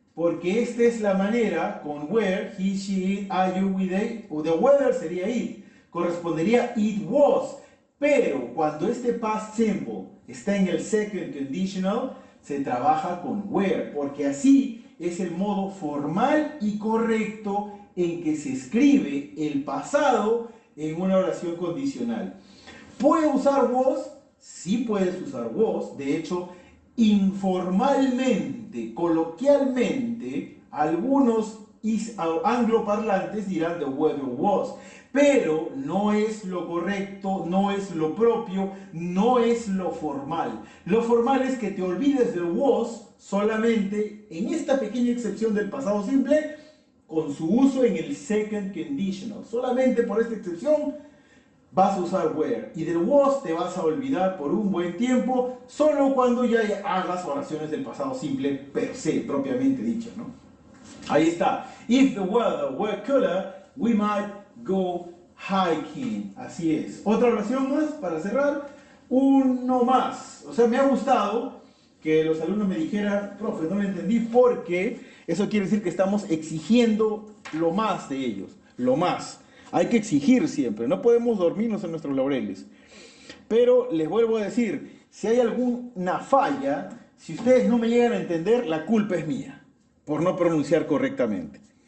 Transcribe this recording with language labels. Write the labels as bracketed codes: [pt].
[es] Porque esta es la manera con were, he, she, it, I, you, they, o the were sería it. Correspondería it was, pero cuando este past simple está en el second conditional, se trabaja con were, porque así es el modo formal y correcto en que se escribe el pasado en una oración condicional. ¿Puede usar was? Sí puedes usar was. De hecho, informalmente, coloquialmente, algunos angloparlantes dirán [en] the weather was. [es] Pero no es lo correcto, no es lo propio, no es lo formal. Lo formal es que te olvides del was solamente en esta pequeña excepción del pasado simple con su uso en el second conditional. Solamente por esta excepción vas a usar were. Y del was te vas a olvidar por un buen tiempo, solo cuando ya hagas oraciones del pasado simple per se, propiamente dicho, ¿no? Ahí está. [en] If the weather were cooler, we might go hiking. [es] Así es. Otra oración más para cerrar. Uno más. O sea, me ha gustado que los alumnos me dijeran, profe, no lo entendí, porque eso quiere decir que estamos exigiendo lo más de ellos. Lo más. Hay que exigir siempre. No podemos dormirnos en nuestros laureles. Pero les vuelvo a decir, si hay alguna falla, si ustedes no me llegan a entender, la culpa es mía por no pronunciar correctamente.